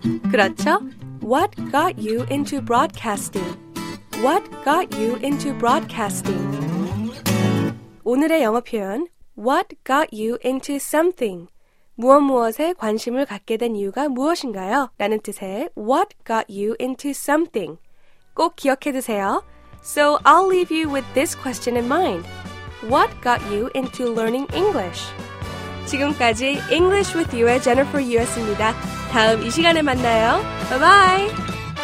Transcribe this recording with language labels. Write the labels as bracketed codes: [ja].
[ko] 그렇죠? [en] What got you into broadcasting? What got you into broadcasting? [ko] 오늘의 영어 표현, [en] What got you into something? [ko] 무엇무엇에 관심을 갖게 된 이유가 무엇인가요? 라는 뜻의 [en] What got you into something? [ko] 꼭 기억해 두세요. [en] So I'll leave you with this question in mind. What got you into learning English? [ko] 지금까지 English with You의 Jennifer U.S.입니다. 다음 이 시간에 만나요. [en] Bye-bye!